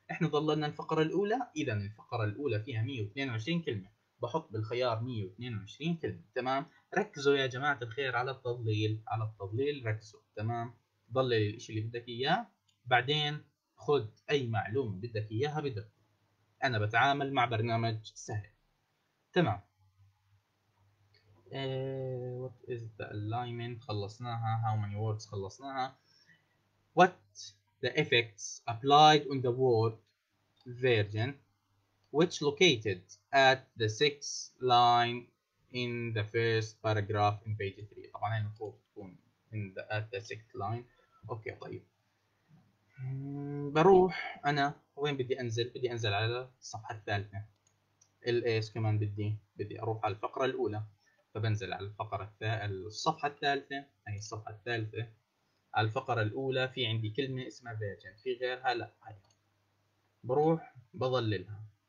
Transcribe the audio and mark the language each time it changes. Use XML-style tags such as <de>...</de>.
<ar>إحنا ضللنا الفقرة الأولى، إذا الفقرة الأولى فيها 122 كلمة، بحط بالخيار 122 كلمة. تمام، ركزوا يا جماعة الخير على التضليل، على التضليل ركزوا. تمام، ضلل الاشي اللي بدك اياه، بعدين خد اي معلومة بدك اياها بدك، انا بتعامل مع برنامج سهل.</ar> <en>تمام، what is the alignment خلصناها، how many words خلصناها، what the effects applied on the word version which located at the sixth line in the first paragraph in page 3.</en> <ar>طبعا هاي المفروض تكون</ar> <en>in the at the sixth line.</en> <ar>اوكي طيب، بروح انا وين بدي انزل؟ بدي انزل على الصفحة الثالثة، الايش كمان بدي اروح على الفقرة الاولى، ف فبنزل على الفقرة الصفحة الثالثة، هي الصفحة الثالثة على الفقرة الأولى، في عندي كلمة اسمها فيرجن، في غيرها لا، هي بروح بظللها.</ar>